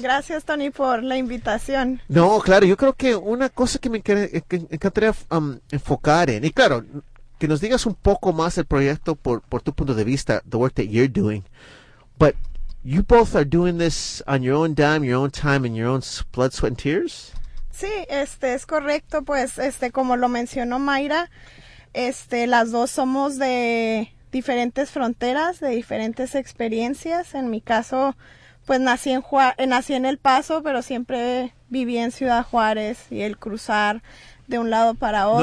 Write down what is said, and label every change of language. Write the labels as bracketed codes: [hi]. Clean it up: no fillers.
[es] Gracias, Tony, por la invitación. No, claro, yo creo que una cosa que me encantaría enfocar en, y claro, que nos digas un poco más el proyecto por tu punto de vista, [en] the work that you're doing. But you both are doing this on your own dime, your own time, and your own blood, sweat, and tears? [es] Sí, es correcto, pues, como lo mencionó Mayra, las dos somos de diferentes fronteras, de diferentes experiencias. En mi caso, pues nací en El Paso, pero siempre viví en Ciudad Juárez, y el cruzar de un lado para otro